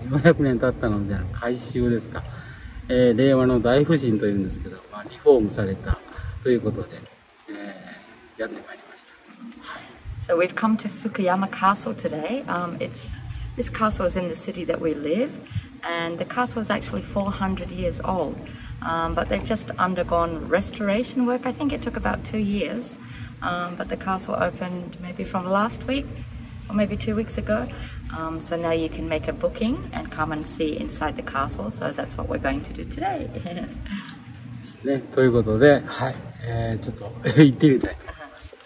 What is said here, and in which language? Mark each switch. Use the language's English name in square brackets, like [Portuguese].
[Japanese] 400年経ったので、改修ですか。令和の大夫人というんですけど、まあ、リフォームされたということで、やってまいりました。はい。 [English] So we've come to Fukuyama Castle today. This castle is in the city that we live, and the castle is actually 400 years old. But they've just undergone restoration work. I think it took about 2 years. But the castle opened maybe from last week. Or maybe 2 weeks ago. So now you can make a booking and come and see inside the castle. So that's what we're going to do today. [Japanese] ですね。ということで、はい、ちょっと行ってみたいと思います。